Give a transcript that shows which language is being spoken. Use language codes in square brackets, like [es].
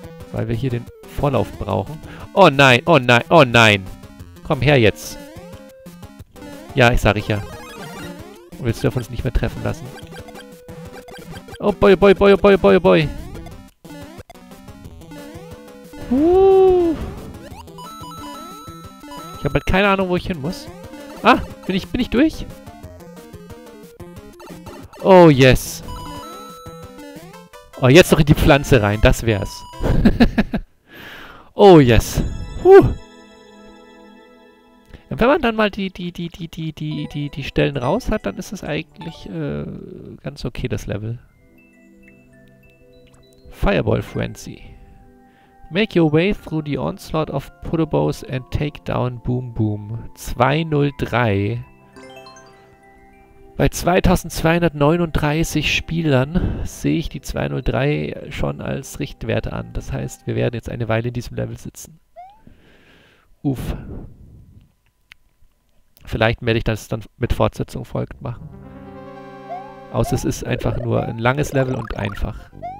[de] Weil wir hier den Vorlauf brauchen. Oh nein, oh nein, oh nein. Komm her jetzt. Ja, ich sag ich ja. Und jetzt dürfen wir uns nicht mehr treffen lassen. [en] Oh boy, boy, boy, boy, boy, boy. [de] Ich habe halt keine Ahnung, wo ich hin muss. Ah, bin ich durch? [en] Oh yes. [de] Oh, jetzt noch in die Pflanze rein, das wär's. Oh yes. Und wenn man dann mal die Stellen raus hat, dann ist es eigentlich ganz okay, das Level. [en] Fireball Frenzy. Make your way through the onslaught of Putobos and take down Boom Boom. [de] 203. Bei 2239 Spielern sehe ich die 203 schon als Richtwert an. Das heißt, wir werden jetzt eine Weile in diesem Level sitzen. Uff. Vielleicht werde ich das dann mit Fortsetzung folgt machen. Außer es ist einfach nur ein langes Level und einfach.